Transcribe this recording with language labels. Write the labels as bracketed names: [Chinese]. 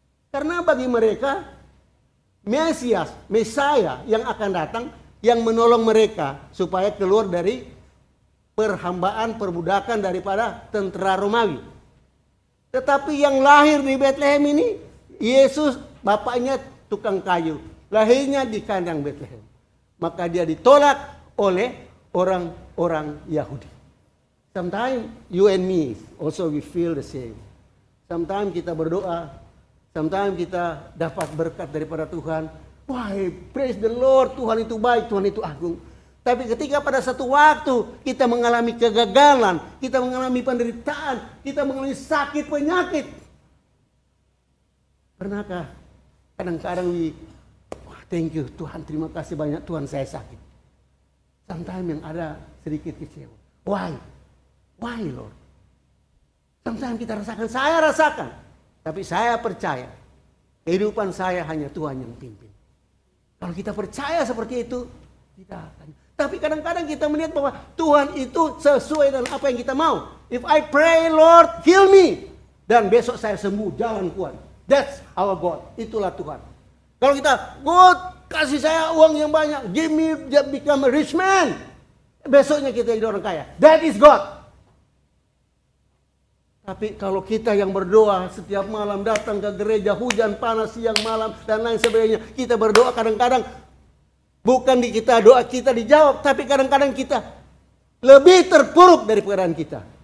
[Indonesian] Karena bagi mereka, Mesias, Mesaya yang akan datang, yang menolong mereka supaya keluar dari perhambaan, perbudakan daripada tentara Romawi. Tetapi yang lahir di Bethlehem ini, Yesus bapaknya tukang kayu, lahirnya di kandang Bethlehem. Maka dia ditolak oleh orang-orang Yahudi. [English] Sometimes you and me also we feel the same. [Indonesian] Sometimes kita berdoa, sometimes kita dapat berkat daripada Tuhan. [English] Why, praise the Lord, [Indonesian] Tuhan itu baik, Tuhan itu agung. Tapi ketika pada satu waktu kita mengalami kegagalan, kita mengalami penderitaan, kita mengalami sakit, penyakit. Pernahkah kadang-kadang [English] thank you [Indonesian] Tuhan, terima kasih banyak Tuhan saya sakit. Sometimes yang ada sedikit kecewa. [English] Why? Why Lord? [Indonesian] Sometimes kita rasakan, saya rasakan. Tapi saya percaya, kehidupan saya hanya Tuhan yang pimpin. Kalau kita percaya seperti itu, kita akan. Tapi kadang-kadang kita melihat bahwa Tuhan itu sesuai dengan apa yang kita mau. [English] If I pray, Lord, heal me. [Indonesian] Dan besok saya sembuh, jalan kuat. [English] That's our God. [Indonesian] Itulah Tuhan. Kalau kita, God, kasih saya uang yang banyak. [English] Give me, just become a rich man. [Indonesian] Besoknya kita jadi orang kaya. [English] That is God. [Indonesian] Tapi kalau kita yang berdoa setiap malam, datang ke gereja, hujan, panas, siang, malam, dan lain sebagainya. Kita berdoa kadang-kadang, bukan di kita doa kita dijawab, tapi kadang-kadang kita lebih terpuruk dari keadaan kita.